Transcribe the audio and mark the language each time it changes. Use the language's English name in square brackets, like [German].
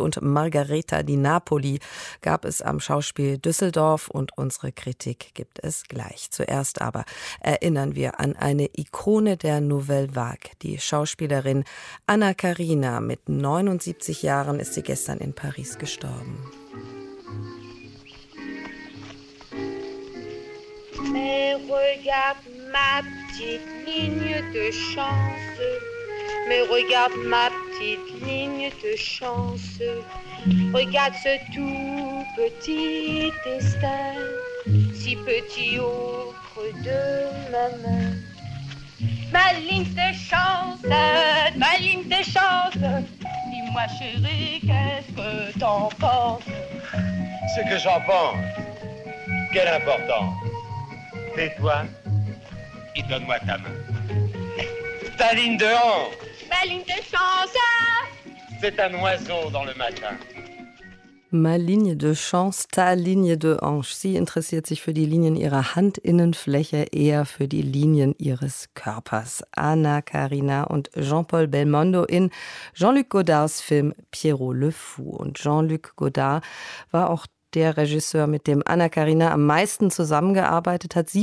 [German] Und Margareta di Napoli gab es am Schauspiel Düsseldorf und unsere Kritik gibt es gleich. Zuerst aber erinnern wir an eine Ikone der Nouvelle Vague. Die Schauspielerin Anna Karina. Mit 79 Jahren ist sie gestern in Paris gestorben. [French] Mais regarde ma petite ligne de chance, mais regarde ma petite ligne de chance, regarde ce tout petit destin, si petit au creux de ma main. Ma ligne de chance, ma ligne de chance, dis-moi chérie, qu'est-ce que t'en penses? Ce que j'en pense, quelle importance. Tais-toi et donne-moi ta main. Ta ligne de hanche. Ma ligne de chance. C'est un oiseau dans le matin. Ma ligne de chance, ta ligne de hanche. [German] Sie interessiert sich für die Linien ihrer Handinnenfläche, eher für die Linien ihres Körpers. Anna Karina und Jean-Paul Belmondo in Jean-Luc Godards Film Pierrot le Fou. Und Jean-Luc Godard war auch der Regisseur, mit dem Anna Karina am meisten zusammengearbeitet hat.